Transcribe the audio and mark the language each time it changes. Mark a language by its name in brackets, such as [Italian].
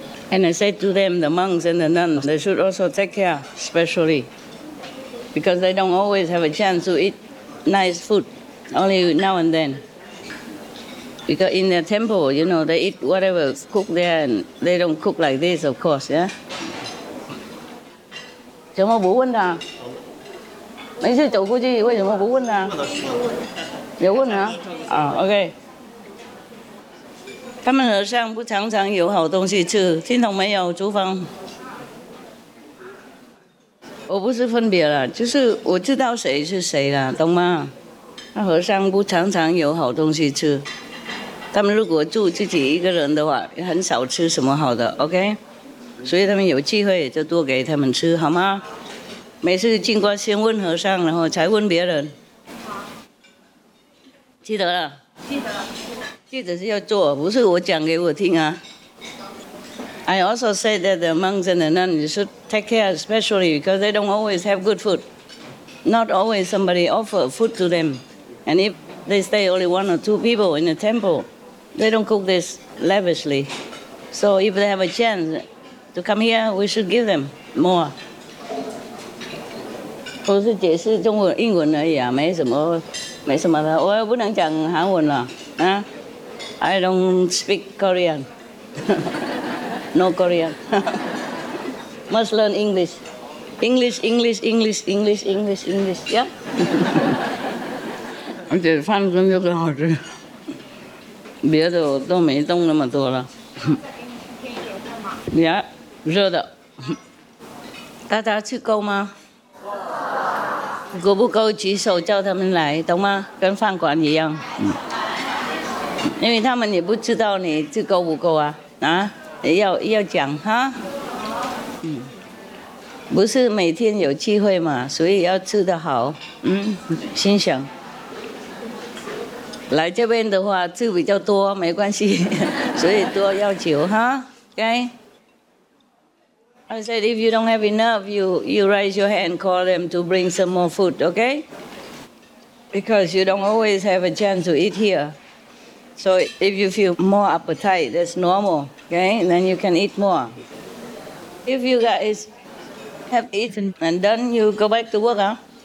[English] And I said to them, the monks and the nuns, they should also take care, especially, because they don't always have a chance to eat nice food, only now and then. Because in their temple, you know, they eat whatever is cooked there, and they don't cook like this, of course, yeah? [Chinese] 怎么不问他？每次走过去，为什么不问他？有问啊？OK。他们和尚不常常有好东西吃，听懂没有？厨房，我不是分别了，就是我知道谁是谁了，懂吗？那和尚不常常有好东西吃，他们如果住自己一个人的话，很少吃什么好的 ，OK？所以他们有机会就多给他们吃，好吗？每次进关先问和尚，然后才问别人。记得了，记得，记得是要做，不是我讲给我听啊。 [English] I also said that the monks and the nuns should take care, especially because they don't always have good food. Not always somebody offer food to them, and if they stay only one or two people in the temple, they don't cook this lavishly. So if they have a chance to come here, we should give them more. [Chinese] 不是解释中文、英文而已啊，没什么。没什么的，我又不能讲韩文了啊 ！ [English] I don't speak Korean, no Korean. Must learn English, English, English, English, English, English, English. Yeah. [Chinese] 而且饭真的很好吃，别的我都没动那么多了。呀，热的，大家吃够吗？够不够举手叫他们来，懂吗？跟饭馆一样，因为他们也不知道你吃够不够啊，要讲哈，不是每天有机会嘛，所以要吃得好。心想来这边的话吃比较多没关系，所以多要求哈。 [English] Okay? I said if you don't have enough, you raise your hand, call them to bring some more food, okay? Because you don't always have a chance to eat here. So if you feel more appetite, that's normal, okay? And then you can eat more. If you guys have eaten and done, you go back to work, huh?